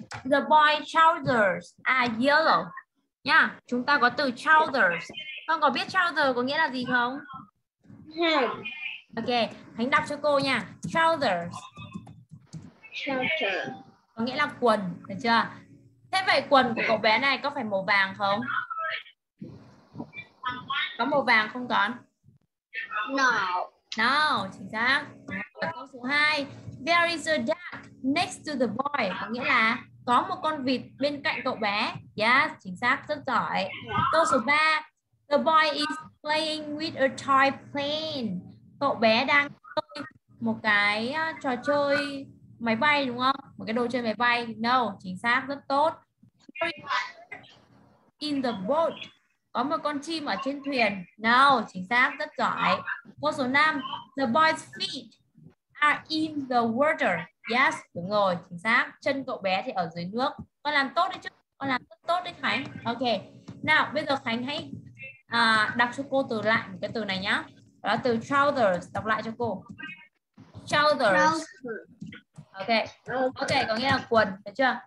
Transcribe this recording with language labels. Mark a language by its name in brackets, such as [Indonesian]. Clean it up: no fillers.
[English] The boy trousers are yellow. [Vietnamese] Nha, chúng ta có từ trousers. Con có biết trousers có nghĩa là gì không? Ok, Khánh đọc cho cô nha. Trousers. [English] Trousers [Vietnamese] có nghĩa là quần, được chưa? Thế vậy quần của cậu bé này có phải màu vàng không? Có màu vàng không con? [English] No. [Vietnamese] No, chính xác. Câu số 2. [English] There is a duck next to the boy. [Vietnamese] Có nghĩa là có một con vịt bên cạnh cậu bé. Yes, chính xác, rất giỏi. Câu số 3. [English] The boy is playing with a toy plane. [Vietnamese] Cậu bé đang chơi một cái trò chơi máy bay đúng không? Một cái đồ chơi máy bay. No, chính xác, rất tốt. [English] In the boat. [Vietnamese] Có một con chim ở trên thuyền. No, chính xác, rất giỏi. Câu số 5. [English] The boy's feet are in the water. [Vietnamese] Yes, đúng rồi, chính xác. Chân cậu bé thì ở dưới nước. Con làm tốt đấy chứ. Con làm rất tốt đấy Khánh. Ok. Nào, bây giờ Khánh hãy đọc cho cô từ lại cái từ này nhá. Đó, từ trousers, đọc lại cho cô. Trousers. Ok. Ok, có nghĩa là quần, được chưa?